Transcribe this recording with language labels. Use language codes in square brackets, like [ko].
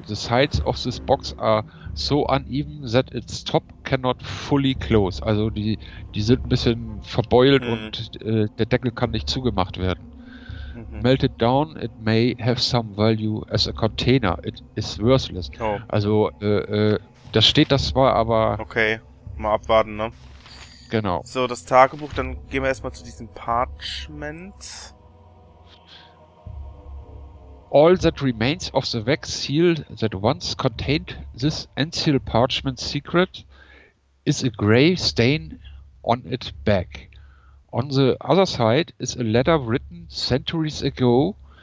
[en] The sides of this box are so uneven that its top cannot fully close. [de] Also die sind ein bisschen verbeult und der Deckel kann nicht zugemacht werden. [en] Mhm. Melted down, it may have some value as a container. It is worthless. [de] Oh. Also das steht das zwar, aber... Okay, mal abwarten, ne? Genau. So, das Tagebuch, dann gehen wir erstmal zu diesem Parchment... [en] All that remains of the wax seal that once contained this ancient parchment secret is a gray stain on its back. On the other side is a letter written centuries ago.